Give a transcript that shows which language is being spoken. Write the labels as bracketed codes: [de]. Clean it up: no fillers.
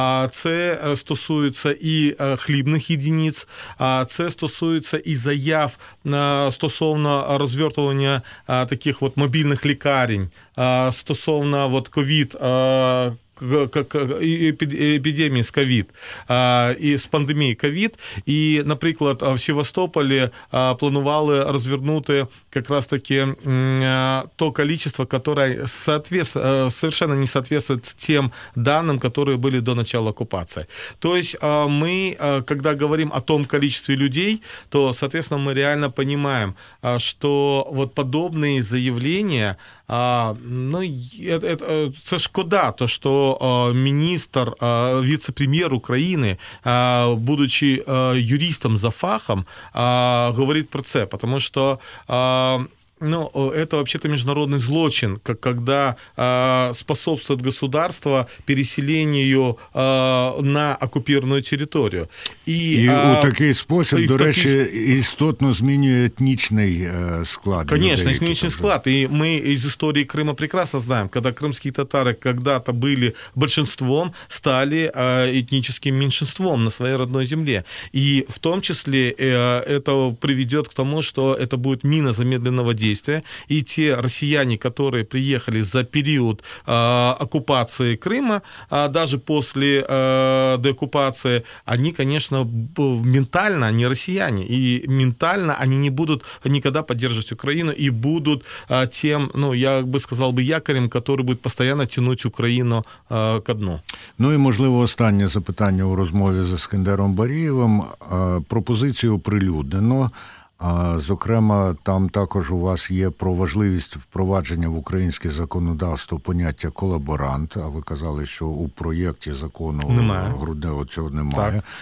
[uk] Це стосується і хлібних єдиниць, це стосується і заяв стосовно розвертування таких от мобільних лікарень, стосовно от ковід епідемії з ковід, і з пандемії ковід. І, наприклад, в Севастополі планували розвернути якраз таки [ru] то количество, которое совершенно не соответствует тем данным, которые были до начала оккупации. То есть мы, когда говорим о том количестве людей, то, соответственно, мы реально понимаем, что вот подобные заявления, ну, это [uk] шкода, [ru] то, что министр, вице-премьер Украины, будучи юристом [uk] за фахом, [ru] говорит [uk] про це, [ru] потому что... Ну, это вообще-то международный [uk] злочин, [ru] когда способствует государство переселению на оккупированную территорию. [uk] И у такий спосіб, до речі, істотно змінює етнічний склад. [ru] Конечно, [uk] етнічний склад. І ми з історії Криму прекрасно знаємо, коли кримські татари [ru] когда-то [uk] були більшинством, стали етнічним меншинством на своїй рідній землі. І в тому числі це приведе [ru] к тому, [uk] що це буде міна [ru] замедленного [uk] дії. [ru] И те россияне, которые приехали за период оккупации Крыма, даже после деоккупации, они, конечно, ментально они россияне, и ментально они не будут никогда поддерживать Украину и будут тем, ну, я бы сказал бы, якорем, который будет постоянно тянуть Украину ко дну. [uk] Ну и, можливо, останнє запитання у розмові з Ескендером Барієвим. Пропозицію оприлюднено. Зокрема, там також у вас є про важливість впровадження в українське законодавство поняття колаборант, а ви казали, що у проєкті закону Грудневу цього немає. Так.